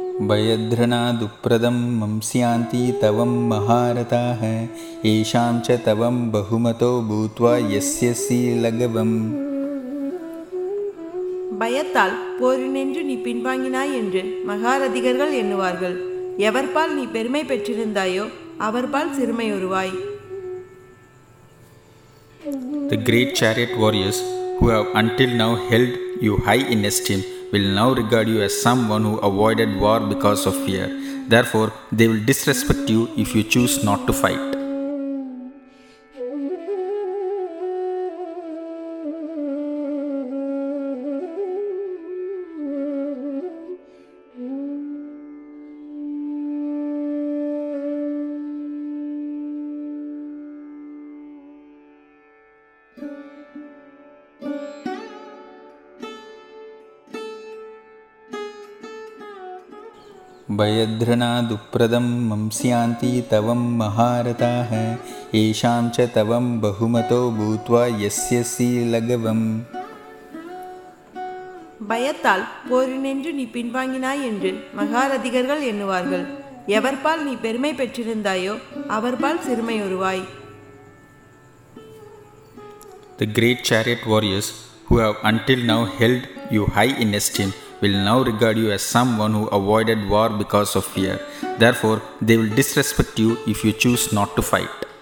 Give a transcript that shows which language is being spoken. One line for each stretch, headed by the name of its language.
Sanskrit: பயத்ரநாதுப்ரதம் மம்ஸ்யாந்தி தவம் மகாரதாஹ ஏஷாம் ச தவம் பஹுமதோ பூத்வா யஸ்யஸி லகவம்.
Tamil: பயத்தால் போரினின்று நீ பின்வாங்கினாய் என்று மகாரதிகர்கள் எண்ணுவார்கள். எவர்பால் நீ பெருமை பெற்றிருந்தாயோ அவர்பால் சிறுமை உருவாய்.
English: The great chariot warriors who have until now held you high in esteem will now regard you as someone who avoided war because of fear. Therefore, they will disrespect you if you choose not to fight.
Sanskrit: भयद्रनादुप्रदं मंस्यान्ति तवं महारथाः येषां च तवं बहुमतो भूत्वा यस्य सीलगवम्
Tamil: பயத்தால் போரினின்று நீ பின்வாங்கினாய் என்று மகாரதிகர்கள் எண்ணுவார்கள். எவர்பால் நீ பெருமை பெற்றிருந்தாயோ அவர்பால் சிறுமை உருவாய்.
English: The great chariot warriors who have until now held you high in esteem will now regard you as someone who avoided war because of fear. Therefore, they will disrespect you if you choose not to fight.